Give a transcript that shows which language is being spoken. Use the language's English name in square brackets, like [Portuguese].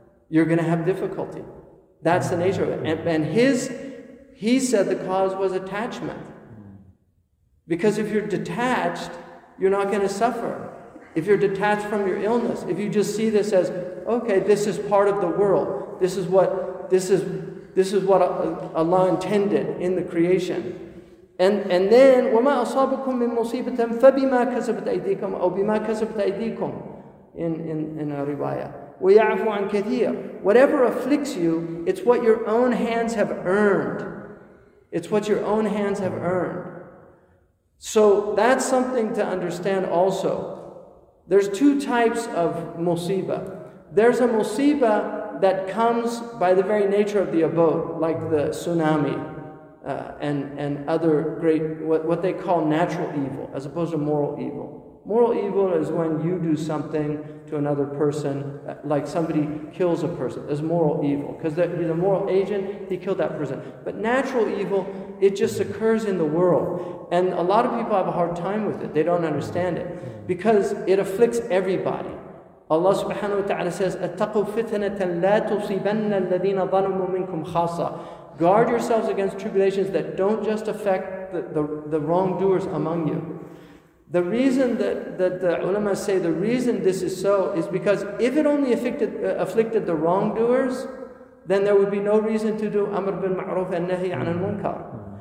[English] You're going to have difficulty. That's the nature of it. And he said the cause was attachment. Because if you're detached, you're not going to suffer. If you're detached from your illness, if you just see this as, okay, this is part of the world. This is what Allah intended in the creation. And then, [Arabic] وَمَا أَصَابَكُم مِّن مُصِيبَةً فَبِمَا كَسَبَتْ أَيْدِيكُمْ أَوْ بِمَا كَسَبَتْ أَيْدِيكُمْ [English] in a riwayah. [Arabic] وَيَعْفُ عَن كَثِيرٍ. [English] Whatever afflicts you, it's what your own hands have earned. It's what your own hands have earned. So that's something to understand also. There's two types of musibah. There's a musibah that comes by the very nature of the abode, like the tsunami. And other great, what they call natural evil, as opposed to moral evil. Moral evil is when you do something to another person, like somebody kills a person. That's moral evil. Because he's a moral agent, he killed that person. But natural evil, it just occurs in the world. And a lot of people have a hard time with it. They don't understand it. Because it afflicts everybody. Allah subhanahu wa ta'ala says, [Arabic] اتقوا فتنة لا تصيبن الذين ظلموا منكم خاصة. [English] Guard yourselves against tribulations that don't just affect the wrongdoers among you. The reason that the ulama say the reason this is so is because if it only afflicted the wrongdoers, then there would be no reason to do amr bil ma'ruf and nahi an al munkar.